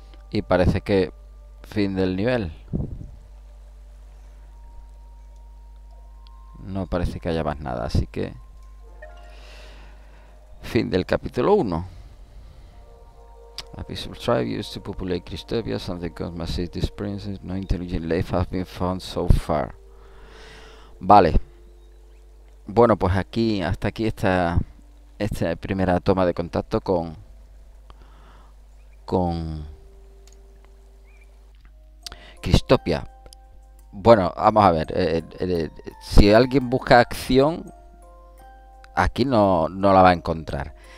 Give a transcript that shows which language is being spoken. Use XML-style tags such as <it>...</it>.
<es>Y parece que fin del nivel. No parece que haya más nada, así que fin del capítulo 1.</es> <en>A peaceful tribe used to populate Crystopia and the Cosmic City Springs. No intelligent life has been found so far.</en> <es>Vale. Bueno, pues aquí, hasta aquí está esta primera toma de contacto con Crystopia. Bueno, vamos a ver. Si alguien busca acción, aquí no la va a encontrar.</es>